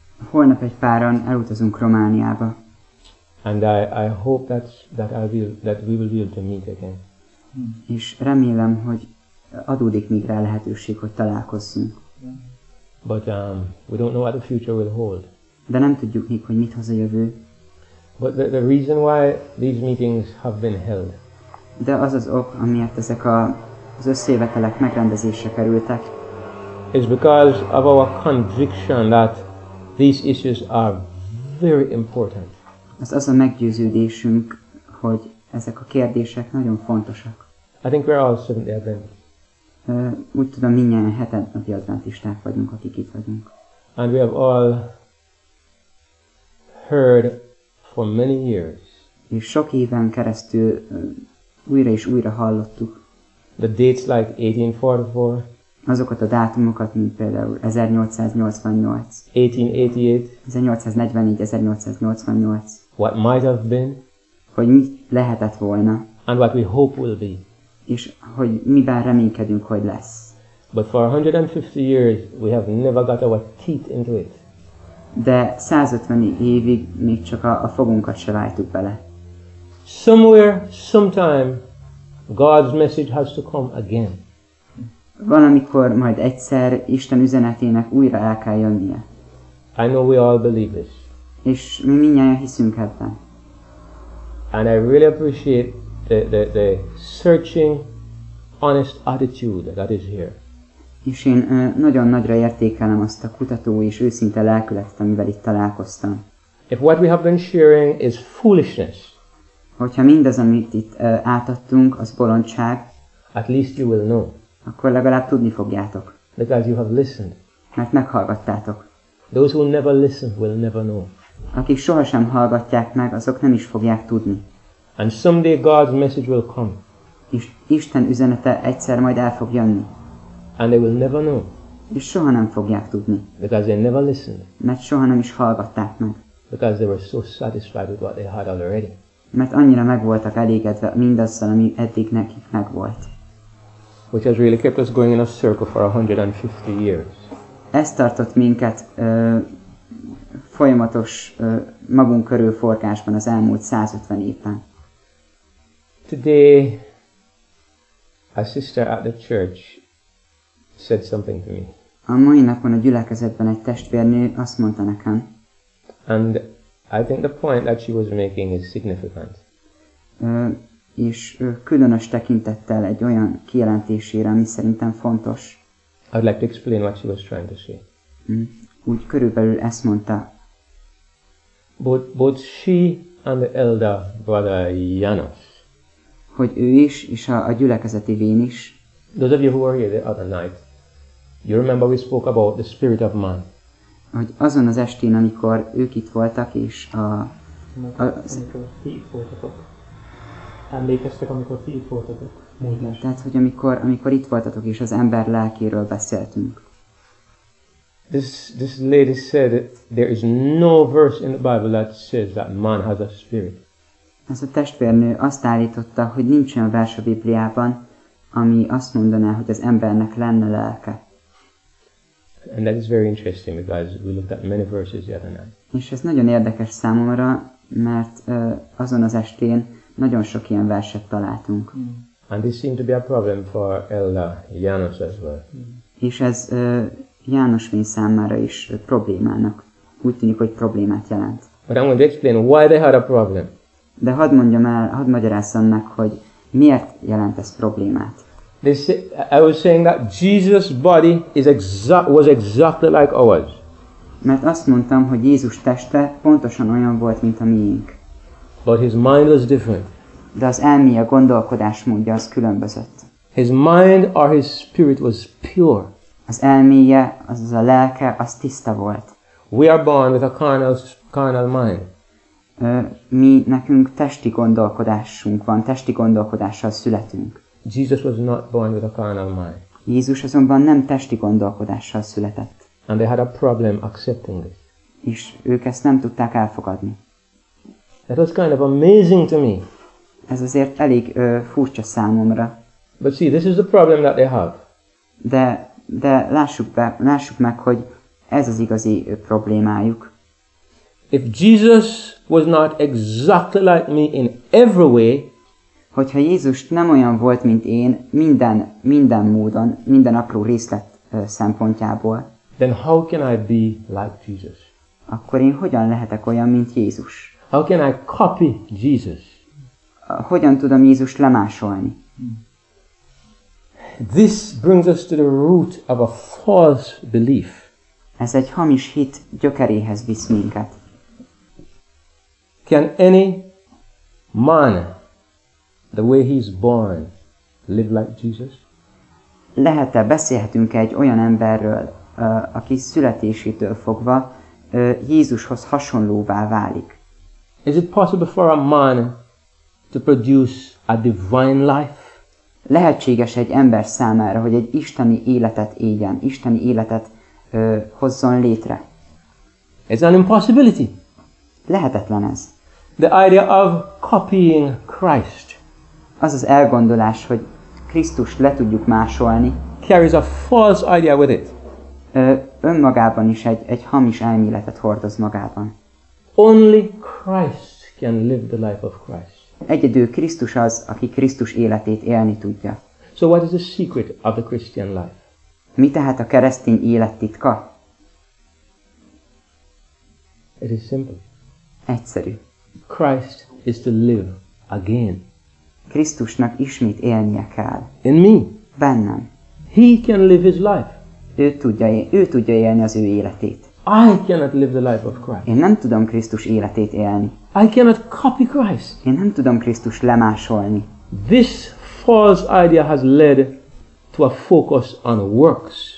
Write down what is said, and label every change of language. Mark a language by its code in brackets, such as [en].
[hu] Holnap egy páran elutazunk Romániába. [en] And I hope that we will be able to meet again. [hu] És remélem, hogy adódik még rá lehetőség, hogy találkozzunk. [en] But we don't know what the future will hold. [hu] De nem tudjuk még, hogy mit hoz a jövő. [en] But the reason why these meetings have been held. [hu] De az az ok, amiért ezek az összejövetelek megrendezésre kerültek. [en] It's because of our conviction that these issues are very important. [hu] Ez az a meggyőződésünk, hogy ezek a kérdések nagyon fontosak. [en] I think we're all Seventh-day Adventists. [hu] Úgy tudom, mindjárt hetednapi adventisták vagyunk, akik itt vagyunk. [en] And we have all heard for many years. [hu] És sok éven keresztül újra és újra hallottuk. [en] The dates like 1844. [hu] Azokat a dátumokat, mint például 1888. 1888. 1844, 1888. [en] What might have been. [hu] Hogy mi lehetett volna. [en] And what we hope will be. [hu] És hogy miben reménykedünk, hogy lesz. [en] But for 150 years we have never got our teeth into it. [hu] De 150 évig még csak a fogunkat se vágtuk bele. [en] Somewhere, sometime, God's message has to come again. [hu] Valamikor majd egyszer Isten üzenetének újra el kell jönnie. [en] I know we all believe this. [hu] És mi mindjárt hiszünk ebben. [en] And I really appreciate the searching, honest attitude that is here. [hu] És én nagyon nagyra értékelem azt a kutató és őszinte lelkületet, amivel itt találkoztam. [en] If what we have been sharing is foolishness, [hu] hogyha mindaz, amit itt átadtunk, az bolondság, [en] at least you will know. [hu] Akkor legalább tudni fogjátok. [en] Because you have listened. [hu] Mert meghallgattátok. [en] Those who never listen will never know. [hu] Akik sohasem hallgatják meg, azok nem is fogják tudni. [en] And someday God's message will come. [hu] És Isten üzenete egyszer majd el fog jönni. [en] And they will never know. [hu] És soha nem fogják tudni. [en] Because they never listened. [hu] Mert soha nem is hallgatták meg. [en] Because they were so satisfied with what they had already. [hu] Mert annyira meg voltak elégedve mindazzal, ami eddig nekik megvolt. [en] Which has really kept us going in a circle for 150 years. [hu] Ez tartott minket folyamatos magunk körül forgásban az elmúlt 150 évben. [en] Today, a sister at the church said something to me. [hu] A mai napon a gyülekezetben egy testvérnő azt mondta nekem. [en] And I think the point that she was making is significant. [hu] És különös tekintettel egy olyan kijelentésére, ami szerintem fontos. [en] I'd like to explain what she was trying to say. [hu] úgy körülbelül ezt mondta. [en] Both she and the elder brother Janos. [hu] Hogy ő is, és a gyülekezeti vén is. [en] Those of you who were here the other night, you remember we spoke about the spirit of man. [hu] Hogy azon az estén, amikor ők itt voltak, és a... Emlékeztek, amikor ti itt voltatok. Igen, tehát, hogy amikor itt voltatok, és az ember lelkéről beszéltünk. [en] This lady said that there is no verse in the Bible that says that man has a spirit. [hu] Ez a testvérnő azt állította, hogy nincs olyan vers a Bibliában, ami azt mondaná, hogy az embernek lenne lelke. [en] And that is very interesting because we looked at many verses the other night. [hu] És ez nagyon érdekes számomra, mert azon az estén nagyon sok ilyen verset találtunk. [en] And this seemed to be a problem for Ella Janos as well. [hu] És ez János vén számára is problémának. Úgy tűnik, hogy problémát jelent. [en] But I'm going to explain why they had a problem. [hu] De hadd mondjam el, hadd magyarázzam meg, hogy miért jelent ez problémát. [en] I was saying that Jesus' body was exactly like ours. [hu] Mert azt mondtam, hogy Jézus teste pontosan olyan volt, mint a miénk. [en] But his mind was different. [hu] De az elmé, a gondolkodásmódja az különbözött. [en] His mind or his spirit was pure. [hu] Az elméje, azaz a lelke, az tiszta volt. [en] We are born with a carnal mind. [hu] Mi nekünk testi gondolkodásunk van, testi gondolkodással születünk. [en] Jesus was not born with a carnal mind. [hu] Jézus azonban nem testi gondolkodással született. [en] And they had a problem accepting it. [hu] És ők ezt nem tudták elfogadni. [en] That was kind of amazing to me. [hu] Ez azért elég furcsa számomra. [en] But see, this is the problem that they have. [hu] De lássuk meg, hogy ez az igazi problémájuk. [en] If Jesus was not exactly like me in every way, [hu] hogyha Jézus nem olyan volt, mint én, minden módon, minden apró részlet szempontjából, [en] then how can I be like Jesus? [hu] Akkor én hogyan lehetek olyan, mint Jézus? [en] How can I copy Jesus? [hu] Hogyan tudom Jézust lemásolni? [en] This brings us to the root of a false belief. [hu] Ez egy hamis hit gyökeréhez visz minket. [en] Can any man, the way he's born, live like Jesus? [hu] Lehet-e, beszélhetünk egy olyan emberről, aki születésétől fogva Jézushoz hasonlóvá válik? [en] Is it possible for a man to produce a divine life? [hu] Lehetséges egy ember számára, hogy egy isteni életet éljen, isteni életet hozzon létre? [en] It's an impossibility. [hu] Lehetetlen ez. [en] The idea of copying Christ. [hu] Az az elgondolás, hogy Krisztus le tudjuk másolni. [en] Carries a false idea with it. [hu] Önmagában is egy hamis elméletet hordoz magában. [en] Only Christ can live the life of Christ. [hu] Egyedül Krisztus az, aki Krisztus életét élni tudja. [en] So what is the secret of the Christian life? [hu] Mi tehát a keresztény élet titka? [en] It is simple. [hu] Egyszerű. [en] Christ is to live again. [hu] Krisztusnak ismét élnie kell. [en] In me. [hu] Bennem. [en] He can live his life. [hu] Ő tudja élni az ő életét. [en] I cannot live the life of Christ. [hu] Én nem tudom Krisztus életét élni. [en] I cannot copy Christ. [hu] Én nem tudom Krisztus lemásolni. [en] This false idea has led to a focus on works.